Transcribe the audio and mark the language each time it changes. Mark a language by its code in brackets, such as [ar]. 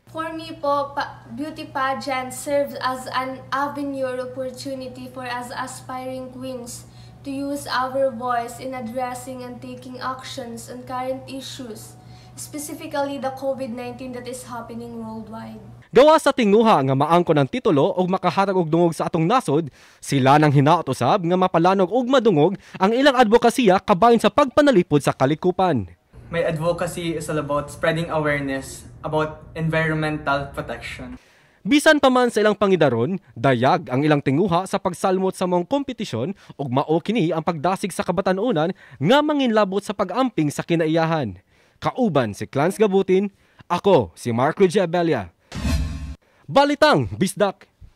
[en] For me po, beauty pageant serves as an avenue opportunity for us aspiring queens to use our voice in addressing and taking actions on current issues, specifically the COVID-19 that is happening worldwide. [ceb] Gawa sa tinguha nga maangko ng titulo o makahatag og dungog sa atong nasod, sila nang hinaot usab nga mapalanog og madungog ang ilang advokasya kabahin sa pagpanalipod sa kalikupan. [en] My advocacy is all about spreading awareness about environmental protection. [ceb] Bisan pa man sa ilang pangidaron, dayag ang ilang tinguha sa pagsalmot sa mong kompetisyon o maokini ang pagdasig sa kabatanunan nga manginlabot sa pag-amping sa kinaiyahan. Kauban si Clans Gabutin, ako si Mark Rujabella. Balitang Bisdak.